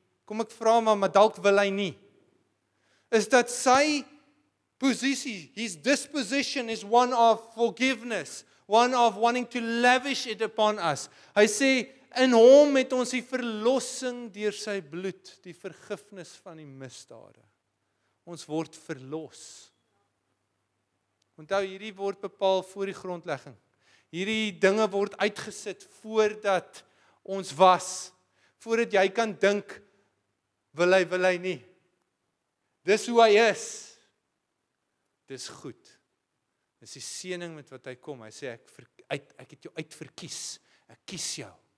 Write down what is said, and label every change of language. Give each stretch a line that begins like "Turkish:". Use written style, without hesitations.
English: Kom ek vra maar dalk wil hy nie. Is dat sy posisie, his disposition is one of forgiveness, one of wanting to lavish it upon us.
Afrikaans: Hy sê, in hom het ons die verlossing deur sy bloed, die vergifnis van die misdade. Ons word verlos. Onthou, hierdie word bepaal voor die grondlegging. Hierdie dinge word uitgesit voordat ons was, voordat jy kan dink, wil hy nie. Dis hoe hy is. Dis goed. Dis die seëning met wat hy kom. Hy sê, ek het jou uitverkies. Ek kies jou.